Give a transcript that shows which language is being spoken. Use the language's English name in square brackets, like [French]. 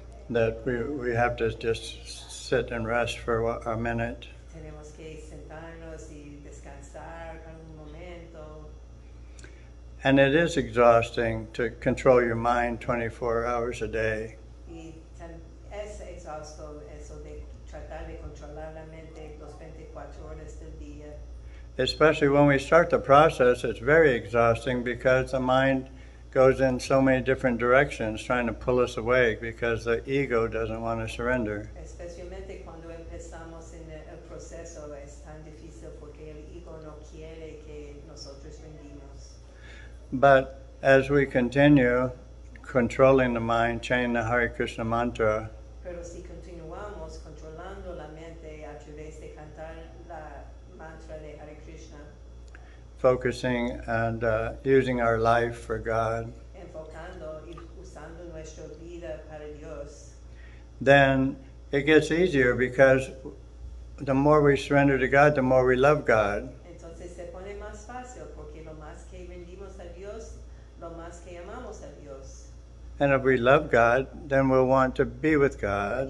[English] That we have to just sit and rest for a minute. [Spanish] Tenemos que sentarnos y descansar por un momento. [English] And it is exhausting to control your mind 24 hours a day. [Spanish] Y es exhausto eso de tratar de controlar la mente los 24 horas del día. [English] Especially when we start the process, it's very exhausting because the mind goes in so many different directions trying to pull us away because the ego doesn't want to surrender. [Spanish] Especialmente cuando empezamos en el proceso es tan difícil porque el ego no quiere que nosotros rendimos. [English] But as we continue controlling the mind, chanting the Hare Krishna mantra, [Spanish] pero si continuamos controlando la mente a través de cantar la mantra de Hare Krishna, [English] focusing and using our life for God, [Spanish] enfocando y usando nuestra vida para Dios, [English] then it gets easier because the more we surrender to God, the more we love God. [Spanish] Entonces se pone más fácil porque lo más que rendimos a Dios, lo más que amamos a Dios. [English] And if we love God, then we'll want to be with God.